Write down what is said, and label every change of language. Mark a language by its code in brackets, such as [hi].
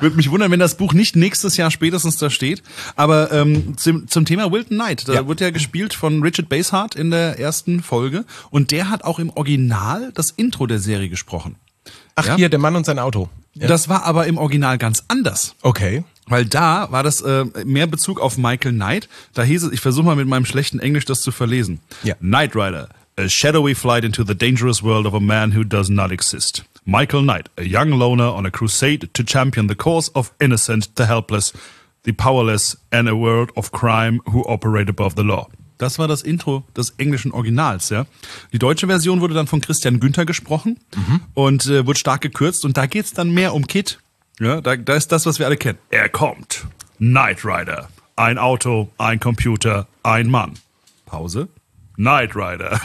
[de] Würde mich wundern, wenn das Buch nicht nächstes Jahr spätestens da steht. Aber zum Thema Wilton Knight, da wird ja gespielt von Richard Basehart in der ersten Folge. Und der hat auch im Original das Intro der Serie gesprochen. Ach, hier, der Mann und sein Auto. Ja. Das war aber im Original ganz anders. Okay. Weil da war das mehr Bezug auf Michael Knight. Da hieß es, ich versuche mal mit meinem schlechten Englisch das zu verlesen. Ja. [en] Knight Rider, a shadowy flight into the dangerous world of a man who does not exist. Michael Knight, a young loner on a crusade to champion the cause of innocent, the helpless, the powerless and a world of crime who operate above the law. [de] Das war das Intro des englischen Originals, ja. Die deutsche Version wurde dann von Christian Günther gesprochen und wurde stark gekürzt. Und da geht's dann mehr um Kit. Ja, da ist das, was wir alle kennen. Er kommt. Knight Rider. Ein Auto, ein Computer, ein Mann. Pause. Knight Rider.